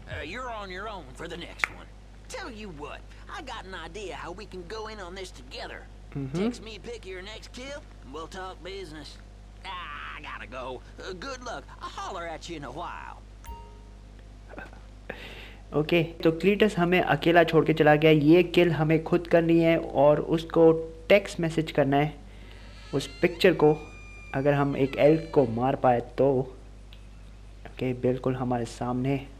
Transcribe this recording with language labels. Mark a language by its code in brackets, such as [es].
[en] You're on your own for the next one. Tell you what, I got an idea how we can go in on this together. Text me a pic of your next kill and we'll talk business. I gotta go. Good luck. I'll holler at you in a while. [hi] Okay, तो Cletus हमें अकेला छोड़ के चला गया. ये किल हमें खुद करनी है और उसको टेक्स्ट मैसेज करना है, उस पिक्चर को, अगर हम एक एल्क को मार पाए तो. ओके, बिल्कुल हमारे सामने.